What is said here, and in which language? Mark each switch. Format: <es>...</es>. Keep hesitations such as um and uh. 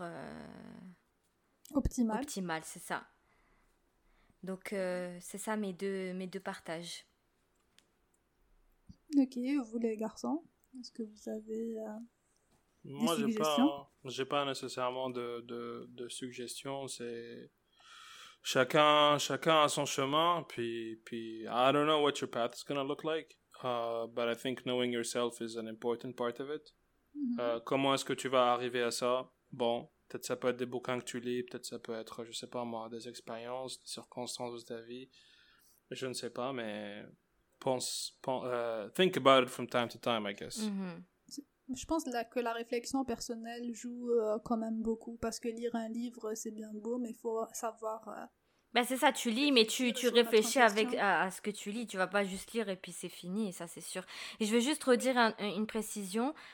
<fr>Euh optimal. optimal c'est ça. Donc, euh, c'est ça mes deux, mes deux partages. Ok, vous les garçons, est-ce que vous avez. Euh, des Moi, suggestions Moi, je n'ai pas, nécessairement de, de, de suggestions. C'est. Chacun, chacun a son chemin, puis, puis</fr> <en>I don't know what your path is going to look like, uh, but I think knowing yourself is an important part of it. Mm -hmm.</en> <fr>uh, comment est-ce que tu vas arriver à ça Bon, Peut-être ça peut être des bouquins que tu lis, peut-être ça peut être, je sais pas moi, des expériences, des circonstances de ta vie. Je ne sais pas, mais pense, pense</fr> <en>uh, think about it from time to time, I guess. Mm -hmm.</en> <fr>Je pense là que la réflexion personnelle joue quand même beaucoup parce que lire un livre c'est bien beau, mais il faut savoir uh... Ben c'est ça, tu lis, mais tu, tu, réfléchis avec à, ce que tu lis. Tu vas pas juste lire et puis c'est fini, ça c'est sûr. Et je veux juste redire un, une précision.</fr>